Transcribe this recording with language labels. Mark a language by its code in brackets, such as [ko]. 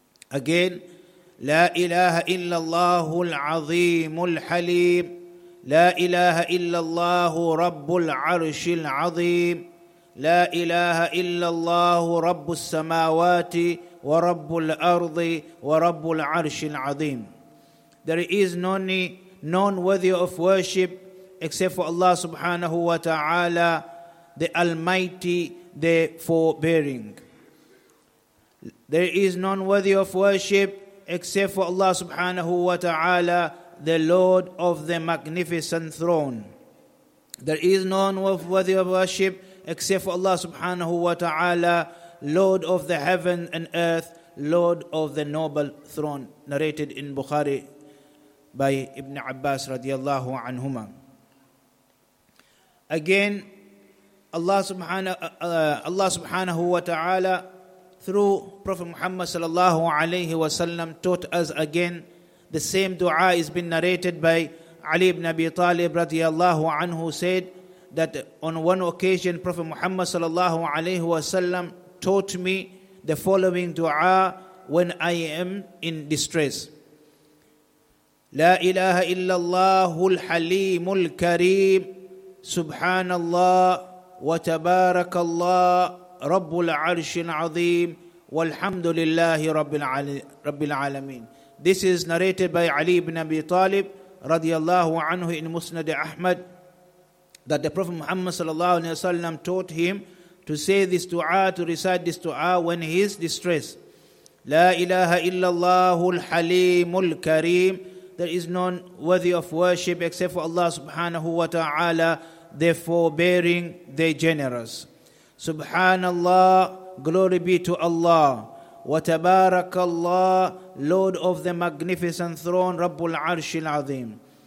[ar] Again, لا إله إلا الله العظيم الحليم لا إله إلا الله رب العرش العظيم لا إله إلا الله رب السماوات ورب الأرض ورب العرش العظيم. [en] There is none worthy of worship except for Allah subhanahu wa ta'ala, the Almighty, the Forbearing. There is none worthy of worship except for Allah subhanahu wa ta'ala, the Lord of the Magnificent Throne. There is no one worthy of worship except for Allah subhanahu wa ta'ala, Lord of the heaven and earth, Lord of the noble throne, narrated in Bukhari by Ibn Abbas radiallahu anhuma. Again, Allah subhanahu wa ta'ala through Prophet Muhammad sallallahu alayhi wa sallam taught us again. The same dua is been narrated by Ali ibn Abi Talib radiallahu anhu, said that on one occasion Prophet Muhammad sallallahu alayhi wa sallam taught me the following dua when I am in distress. [ar] لا إله إلا الله الحليم الكريم سبحان الله وتبارك الله رب العرش العظيم والحمد لله رب العالمين. [en] This is narrated by Ali ibn Abi Talib radiallahu anhu in Musnad Ahmad, that the Prophet Muhammad sallallahu alayhi wa sallam taught him to say this dua, to recite this dua when he is distressed. [ar] لا إله إلا الله الحليم الكريم. [en] There is none worthy of worship except for Allah subhanahu wa ta'ala, the forbearing, the generous. Subhanallah, glory be to Allah. Wa tabarakallah, Lord of the magnificent throne, Rabbul Arshil Azim.